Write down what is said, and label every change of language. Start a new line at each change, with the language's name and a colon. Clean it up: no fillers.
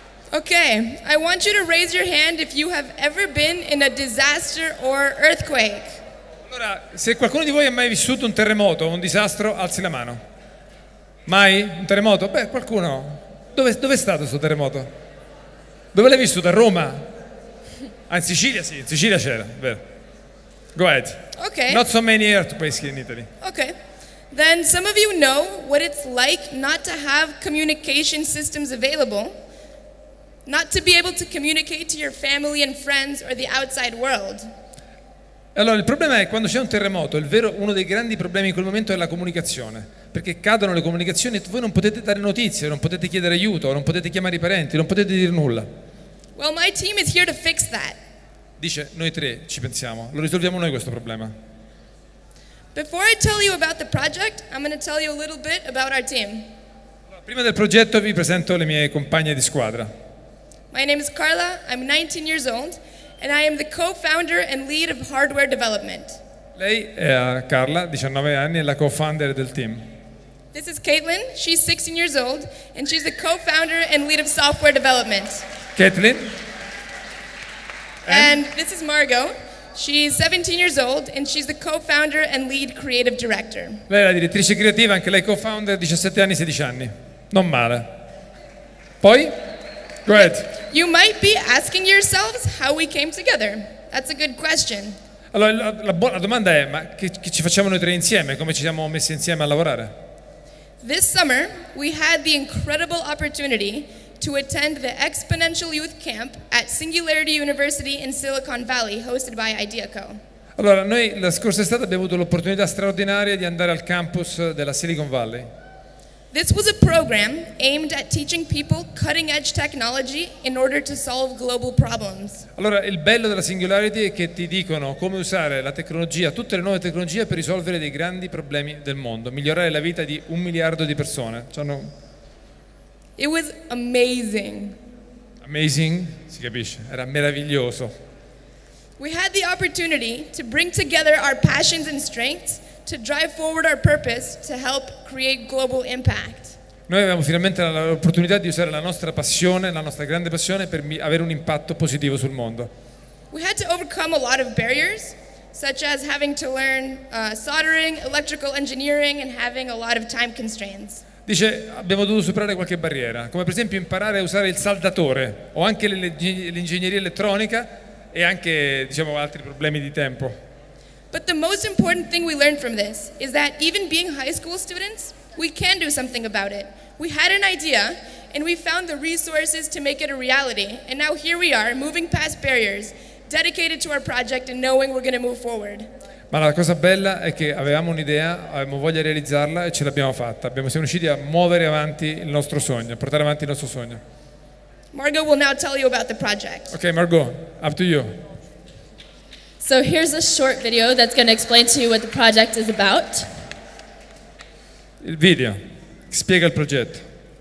English: Okay, I want you to raise your hand if you have ever been in a disaster or earthquake.
Italian: Allora, se qualcuno di voi ha mai vissuto un terremoto o un disastro, alzi la mano. Mai? Un terremoto? Beh, qualcuno. Dove è stato questo terremoto? Dove l'hai vissuto? A Roma? Ah, in Sicilia, sì, in Sicilia c'era, vero.
English: Go ahead. Okay. Not so many earthquakes here in Italy. Okay. Then some of you know what it's like not to have communication systems available. Not to be able to communicate to your family and friends or the outside world.
Italian: Allora, il problema è quando c'è un terremoto, uno dei grandi problemi in quel momento è la comunicazione, perché cadono le comunicazioni e voi non potete dare notizie, non potete chiedere aiuto, non potete chiamare i parenti, non potete dire nulla.
English: Well, my team is here to fix that.
Italian: Dice, noi tre ci pensiamo, lo risolviamo noi questo problema.
English: Before I tell you about the project, I'm going to tell you a little bit about our team.
Italian: Allora, prima del progetto vi presento le mie compagne di squadra.
English: My name is Carla, I'm 19 years old, and I am the co-founder and lead of hardware development.
Italian: Lei è Carla, 19 anni, è la co-founder del team.
English: This is Caitlin, she's 16 years old, and she's the co-founder and lead of software development. Caitlin. And this is Margot, she's 17 years old, and she's the co-founder and lead creative director.
Italian: Lei è la direttrice creativa, anche lei co-founder, 17 anni, 16 anni. Non male. Poi?
English: Go ahead. You might be asking yourselves how we came together. That's a good question.
Italian: Allora, la domanda è, ma che ci facciamo noi tre insieme? Come ci siamo messi insieme a lavorare?
English: This summer, we had the incredible opportunity to attend the Exponential Youth Camp at Singularity University in Silicon Valley, hosted by IdeaCo.
Italian: Allora, noi la scorsa estate abbiamo avuto l'opportunità straordinaria di andare al campus della Silicon Valley.
English: This was a program aimed at teaching people cutting-edge technology in order to solve global problems.
Italian: Allora, il bello della Singularity è che ti dicono come usare la tecnologia, tutte le nuove tecnologie, per risolvere dei grandi problemi del mondo, migliorare la vita di 1 miliardo di persone.
English: It was amazing.
Italian: Amazing? Si capisce. Era meraviglioso.
English: We had the opportunity to bring together our passions and strengths to drive forward our purpose to help create global impact.
Italian: Noi abbiamo finalmente l'opportunità di usare la nostra passione, la nostra grande passione, per avere un impatto positivo sul mondo.
English: We had to overcome a lot of barriers, such as having to learn soldering, electrical engineering, and having a lot of time constraints.
Italian: Dice, abbiamo dovuto superare qualche barriera, come per esempio imparare a usare il saldatore o anche l'ingegneria elettronica e anche, diciamo, altri problemi di tempo.
English: But the most important thing we learned from this is that even being high school students, we can do something about it. We had an idea and we found the resources to make it a reality, and now here we are, moving past barriers, dedicated to our project and knowing we're going to move forward.
Italian: Ma la cosa bella è che avevamo un'idea, avevamo voglia di realizzarla e ce l'abbiamo fatta. Abbiamo siamo riusciti a muovere avanti il nostro sogno, a portare avanti il nostro sogno.
English: Margot will now tell you about the project. Okay, Margot, up to you. So here's a short video that's going to explain to you what the project is about.
Italian: Il video spiega il progetto.